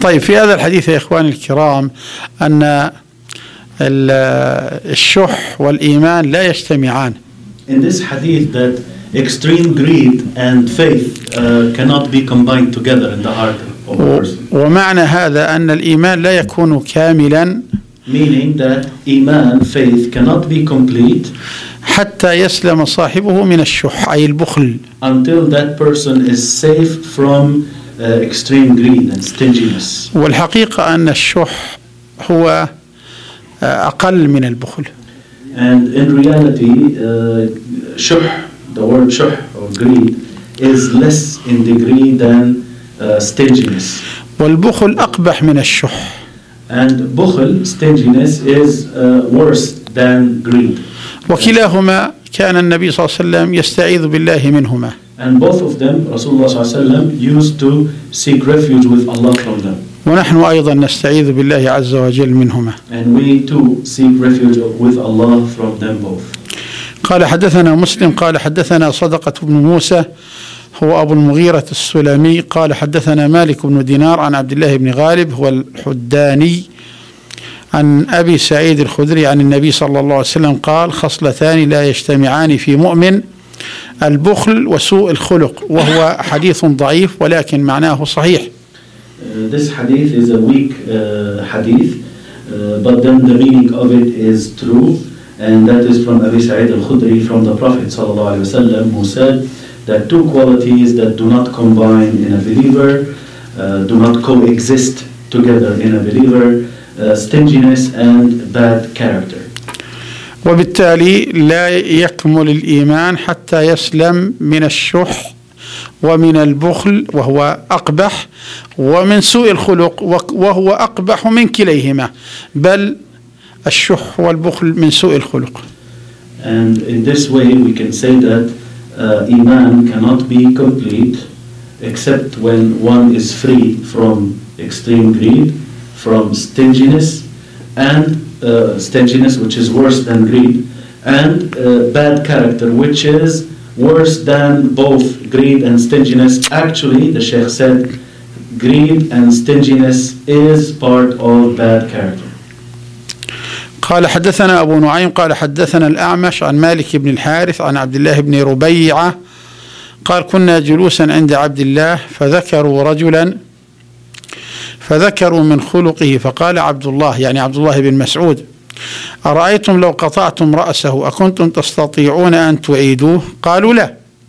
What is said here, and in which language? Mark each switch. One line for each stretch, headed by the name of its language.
Arabic: طيب، في هذا الحديث يا إخواني الكرام أن الشح والإيمان لا يجتمعان.
English: In this hadith that extreme greed and faith cannot be combined together in the heart of a person.
Arabic: ومعنى هذا أن الإيمان لا يكون كاملا.
English: Meaning that iman, faith cannot be complete.
Arabic: حتى يسلم صاحبه من الشح، أي البخل.
English: Until that person is safe from extreme greed and stinginess.
Arabic: والحقيقة أن الشح هو أقل من البخل.
English: And in reality, shuh, the word shuh or greed is less in degree than stinginess.
Arabic: والبخل أقبح من الشح.
English: And bukhl, stinginess, is worse than greed.
Arabic: وكلاهما كان النبي صلى الله عليه وسلم يستعيذ بالله منهما.
English: And both of them, Rasulullah صلى الله عليه وسلم used to seek refuge with Allah from them.
Arabic: ونحن أيضا نستعيذ بالله عز وجل منهما.
English: And we too seek refuge with Allah from them both.
Arabic: قال حدثنا مسلم قال حدثنا صدقة بن موسى هو أبو المغيرة السلمي قال حدثنا مالك بن دينار عن عبد الله بن غالب هو الحداني عن أبي سعيد الخدري عن النبي صلى الله عليه وسلم قال خصلتان لا يجتمعان في مؤمن البخل وسوء الخلق وهو حديث ضعيف ولكن معناه صحيح.
English: This hadith is a weak hadith, but then the meaning of it is true, and that is from Abi Sa'id al-Khudri from the Prophet sallallahu alaihi wasallam, who said that two qualities that do not combine in a believer, do not coexist together in a believer, stinginess and bad character. وبالتالي لا يكمل الإيمان حتى يسلم من الشح ومن البخل وهو أقبح ومن سوء الخلق وهو أقبح من كليهما بل الشح والبخل من سوء الخلق. And in this way we can say that iman cannot be complete except when one is free from extreme greed, from stinginess and stinginess which is worse than greed and bad character which is worse than both greed and stinginess. Actually, the Sheikh said, greed and stinginess is part of bad character.
Arabic: قال حدثنا أبو نعيم قال حدثنا الأعمش عن مالك بن الحارث عن عبد الله بن ربيعة قال كنا جلوسا عند عبد الله فذكروا رجلا فذكروا من خلقه فقال عبد الله يعني عبد الله بن مسعود أرأيتم لو قطعتم رأسه أكنتم تستطيعون أن تعيدوه؟ قالوا لا.